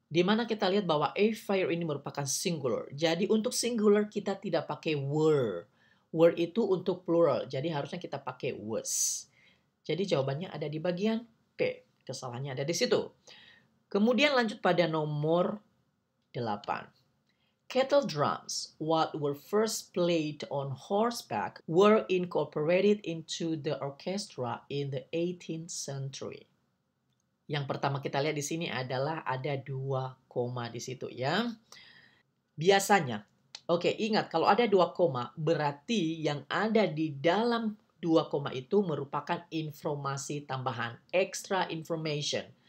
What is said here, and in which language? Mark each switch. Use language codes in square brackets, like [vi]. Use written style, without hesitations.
[id] Di mana kita lihat bahwa [en] a fire [id] ini merupakan singular. Jadi untuk singular kita tidak pakai were. Were itu untuk plural. Jadi harusnya kita pakai was. Jadi jawabannya ada di bagian P. Kesalahannya ada di situ. Kemudian lanjut pada nomor 8. [en] Kettle drums, what were first played on horseback, were incorporated into the orchestra in the 18th century. [id] Yang pertama kita lihat di sini adalah ada dua koma di situ ya. Biasanya, ingat kalau ada dua koma, berarti yang ada di dalam dua koma itu merupakan informasi tambahan, [en] extra information.